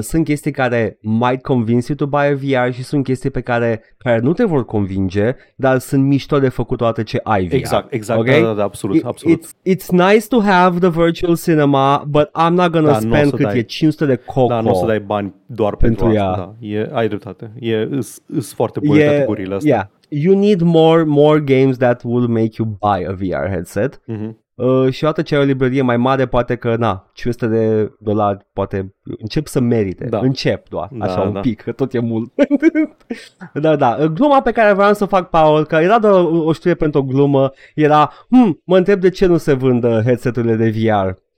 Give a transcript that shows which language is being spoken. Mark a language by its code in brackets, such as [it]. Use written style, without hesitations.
[ro] Sunt chestii care [en] might convince you to buy a VR [ro] și sunt chestii pe care nu te vor convinge, dar sunt mișto de făcut toate ce ai VR. Exact, okay? Da, absolut. [en] It's nice to have the virtual cinema, but I'm not gonna spend [ro] cât e 500 de coco. Da, nu o să dai bani doar pentru asta. Ai dreptate. Îs foarte bune categoriile astea. [en] You need more games that will make you buy a VR headset. [ro] Și odată ce ai o librărie mai mare, poate că, na, 500 de dolari, poate încep să merite. Da. Încep doar, așa un pic, că tot e mult. Da. Gluma pe care vreau să fac, Paul, că era doar o știre pentru o glumă, era, mă întreb de ce nu se vândă headset-urile de VR.